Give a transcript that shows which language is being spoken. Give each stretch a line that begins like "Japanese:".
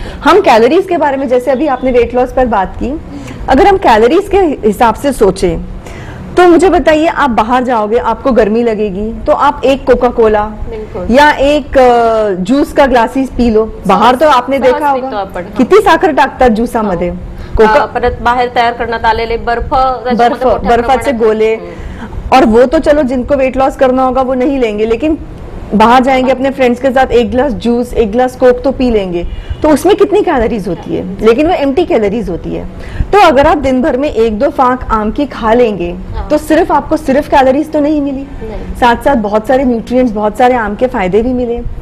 Hindi: हम कैलोरीज के बारे में, जैसे अभी आपने वेट लॉस पर बात की, अगर हम कैलोरीज के हिसाब से सोचें तो मुझे बताइए, आप बाहर जाओगे, आपको गर्मी लगेगी, तो आप एक कोका कोला या एक जूस का ग्लासेस पी लो, बाहर तो आपने देखा होगा कितनी
Marathi: साखर टाकतात जूसा मध्ये, कोका परत बाहेर तयार करण्यात आलेले बर्फाचे गोले,
Hindi: और वो तो चलो जिनको वेट लॉस करना होगा वो नहीं लेंगे, लेकिन बाहर जाएंगे अपने फ्रेंड्स के साथ एक ग्लास जूस, एक ग्लास कोक तो पी लेंगे, तो उसमें कितनी कैलोरीज होती है, लेकिन वो एम्प्टी कैलोरीज होती है। तो अगर आप दिन भर में 1-2 फांक आम की खा लेंगे, तो सिर्फ आपको सिर्फ कैलोरीज तो नहीं मिली, साथ साथ बहुत सारे न्यूट्रिएंट्स, बहुत सारे आम के फायदे भी मिले।